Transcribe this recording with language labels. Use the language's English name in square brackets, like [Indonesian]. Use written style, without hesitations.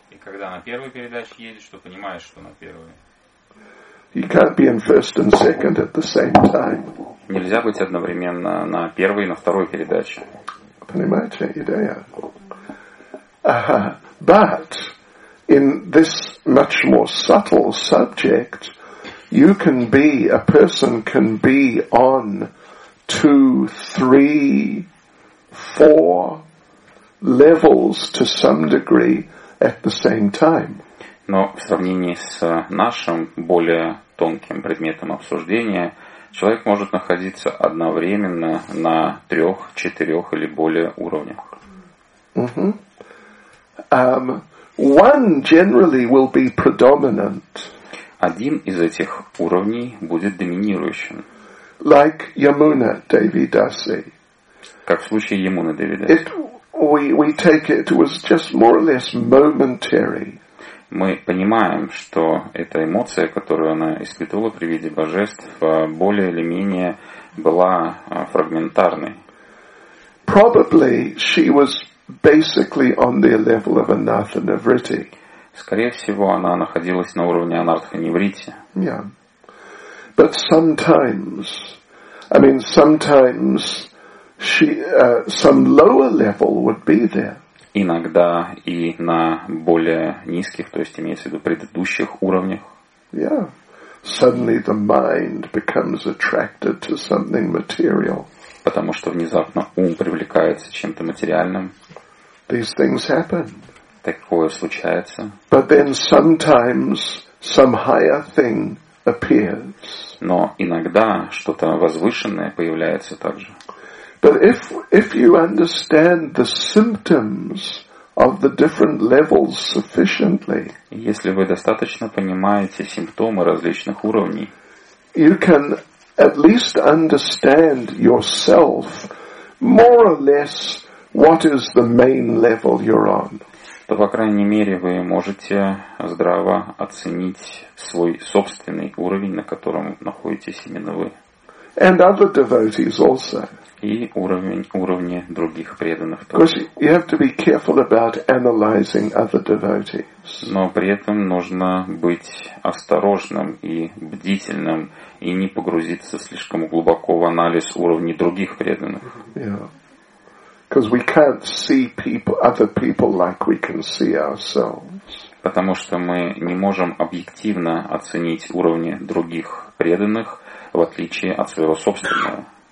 [Russian] И когда на первой передаче едешь, то понимаешь, что на первой. [English] You can't be in first and second at the same time. [Russian] Нельзя быть одновременно на первой и на второй передаче. Понимаете идею? [English] But in this much more subtle subject, you can be, a person can be on 2, 3, 4 levels to some degree at the same time. [Russian] Но в сравнении с нашим более тонким предметом обсуждения, человек может находиться одновременно на 3, 4 или более уровнях. [English] Mm-hmm. One generally will be predominant. [Russian] Один из этих уровней будет доминирующим. [English] Like Yamuna Devi Dasi. [Russian] Как в случае Ямуны Деви Даси. [English] We take it was just more or less momentary. [Russian] Мы понимаем, что эта эмоция, которую она испытывала при виде божеств, более или менее была фрагментарной. [English] Probably she was basically on the level of anartha nivritti. [Russian] Скорее всего, она находилась на уровне анартха нивритти. [English] Yeah. But sometimes, sometimes she some lower level would be there. [Russian] Иногда и на более низких, то есть имеется в виду предыдущих уровнях. [English] Yeah. Suddenly the mind becomes attracted to something material. [Russian] Потому что внезапно ум привлекается чем-то материальным. [English] These things happen. [Russian] Такое случается. [English] But then sometimes some higher thing appears. [Russian] Но иногда что-то возвышенное появляется также. [English] But if you understand the symptoms of the different levels sufficiently, [Russian] если вы достаточно понимаете симптомы различных уровней, [English] you can at least understand yourself more or less what is the main level you're on. [Russian] То, по крайней мере, вы можете здраво оценить свой собственный уровень, на котором находитесь именно вы. [English] And other devotees also. [Russian] И уровни других преданных тоже. [English] Because you have to be careful about analyzing other devotees. [Russian] Но при этом нужно быть осторожным и бдительным и не погрузиться слишком глубоко в анализ уровней других преданных. [English] Because we can't see other people like we can see ourselves. [Russian] Потому что мы не можем объективно оценить уровни других преданных в отличие от своего собственного.